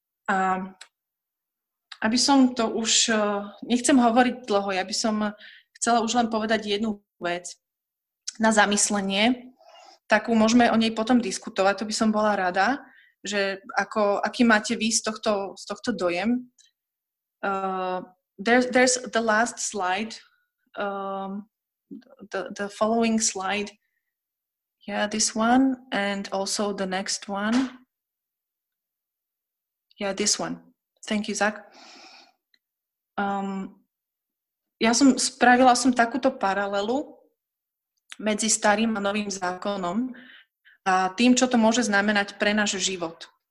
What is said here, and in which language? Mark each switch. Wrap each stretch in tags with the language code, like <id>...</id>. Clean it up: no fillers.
<sk>A aby som to už, nechcem hovoriť dlho, ja by som chcela už len povedať jednu vec na zamyslenie, takú môžeme o nej potom diskutovať, to by som bola rada, že ako, aký máte vy z tohto dojem.</sk> <en>There's the last slide, the following slide, yeah, this one, and also the next one, yeah, this one, thank you, Zach.</en> <sk>Spravila som takúto paralelu medzi starým a novým zákonom a tým, čo to môže znamenať pre náš život.</sk>